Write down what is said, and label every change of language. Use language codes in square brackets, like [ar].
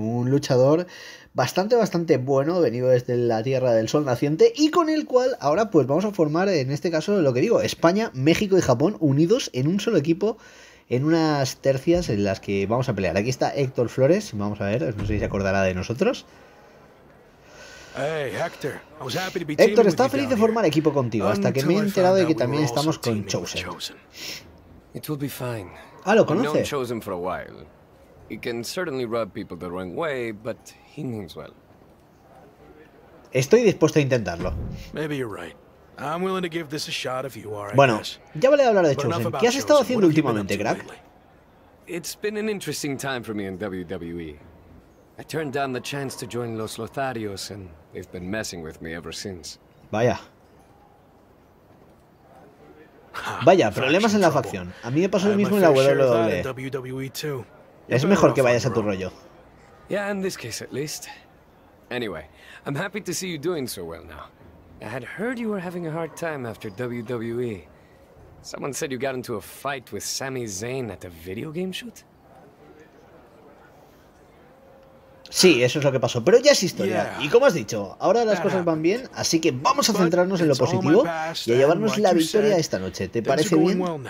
[es] Un luchador bastante, bastante bueno, venido desde la Tierra del Sol Naciente, y con el cual ahora pues vamos a formar, en este caso, lo que digo, España, México y Japón unidos en un solo equipo, en unas tercias en las que vamos a pelear. Aquí está Héctor Flores, vamos a ver, no sé si se acordará de nosotros. [en] Hey, Hector. I was happy to be Héctor, [es] estaba feliz de formar equipo contigo, hasta que me he enterado de que también estamos con Chosen. [en] It will be fine. [es] Ah, lo conoce. [en] I've known Chosen for a while. He can certainly rub people the wrong way, but he means well. [es] Estoy dispuesto a intentarlo. [en] Maybe you're right. I'm willing to give this a shot if you are. [es] Bueno, ya vale hablar de Chosen. ¿Qué has estado haciendo últimamente, Greg? [en] It's been an interesting time for me in WWE. I turned down the chance to join Los Lotharios, and they've been messing with me ever since. [es] Vaya. Vaya, problemas en la facción. A mí me pasó lo mismo en la WWE. Es mejor que vayas a tu rollo. [en] Yeah, in this case at least. Anyway, I'm happy to see you doing so well now. I had heard you were having a hard time after WWE. Someone said you got into a fight with Sami Zayn at a video game shoot? [es] Sí, eso es lo que pasó, pero ya es historia. Y como has dicho, ahora las cosas van bien, así que vamos a centrarnos en lo positivo y a llevarnos la victoria esta noche. ¿Te parece bien?